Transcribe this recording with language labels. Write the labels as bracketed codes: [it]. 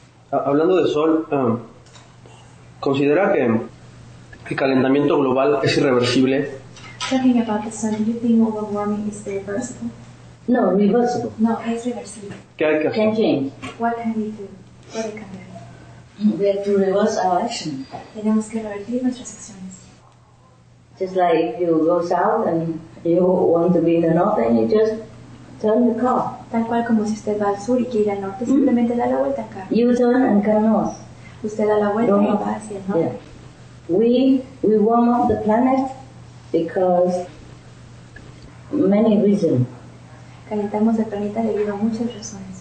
[es] Hablando de sol, ¿considera que el calentamiento global es irreversible? [en] Talking about the sun, do you think global warming is reversible? No, reversible. [es] No, es reversible. ¿Qué hay que hacer? [en] Can change. What can we do? [es] Puede cambiar. [en] We have to reverse our action. [es] Tenemos que revertir nuestras acciones. [en] Just like if you go south and you want to be in the north and you just turn the car. [es] Tal cual como si usted va al sur y quiere ir al norte, simplemente da la vuelta acá. [en] You turn and come north. [es] Usted da la vuelta y va hacia el norte. [en] Yeah. We warm up the planet because many reasons. [es] Calentamos el planeta debido a muchas razones.